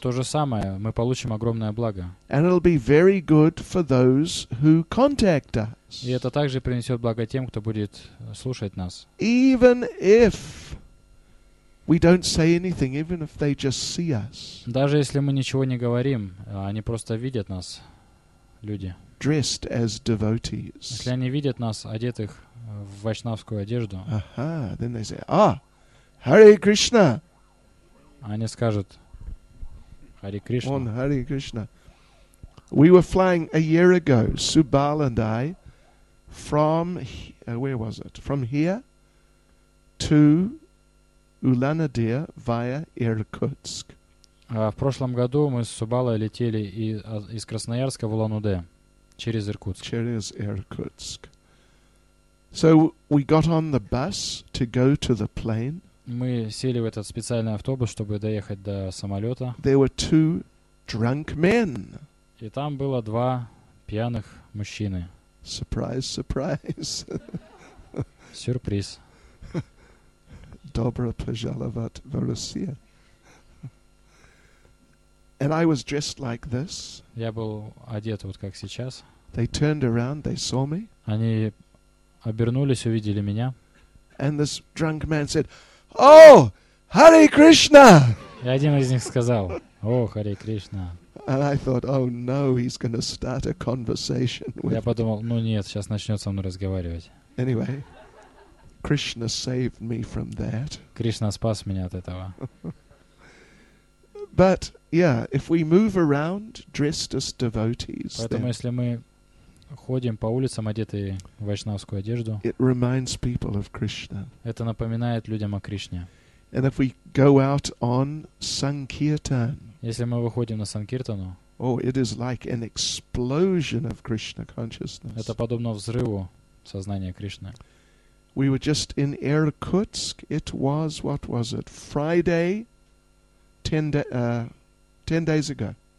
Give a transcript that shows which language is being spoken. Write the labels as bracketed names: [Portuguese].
[Russian] То же самое, мы получим огромное благо. [English] And it'll be very good for those who contact us. [Russian] И это также принесет благо тем, кто будет слушать нас. [English] Even if we don't say anything, even if they just see us. [Russian] Даже если мы ничего не говорим, они просто видят нас, люди. [English] Dressed as devotees. [Russian] Если они видят нас, одетых в вайшнавскую одежду. [English] Aha, then they say, ah, Hare Krishna. [Russian] Они скажут, Hare Krishna. [English] On Hare Krishna. We were flying a year ago, Subal and I, from, where was it? From here to Улан-Удэ via Иркутск. [Russian] В прошлом году мы с Субалой летели из Красноярска в Улан-Удэ через Иркутск. Через Иркутск. [English] So we got on the bus to go to the plane. [Russian] Мы сели в этот специальный автобус, чтобы доехать до самолета. [English] There were two drunk men. [Russian] И там было два пьяных мужчины. [English] Surprise, surprise. [Russian] Сюрприз. Добро пожаловать в Россию. [English] And I was dressed like this. [Russian] Я был одет вот как сейчас. [English] They turned around, they saw me. [Russian] Они обернулись, увидели меня. [English] And this drunk man said, "Oh, Hare Krishna!" [Russian] И один из них сказал, "О, Харе Кришна!" [English] And I thought, "Oh no, he's going to start a conversation with." [Russian] Я подумал, ну нет, сейчас начнет со мной разговаривать. [English] Anyway. Krishna saved me from that. [Russian] Кришна спас меня от этого. [English] But yeah, if we move around dressed as devotees, [Russian] поэтому если мы ходим по улицам, одетые в вайшнавскую одежду, [English] it reminds people of Krishna. [Russian] Это напоминает людям о Кришне. [English] And if we go out on Sankirtan, [Russian] если мы выходим на Санкиртану, [English] oh, it is like an explosion of Krishna consciousness. [Russian] Это подобно взрыву сознания Кришны. [English] We were just in Irkutsk. It was, what was it, Friday, 10 days ago.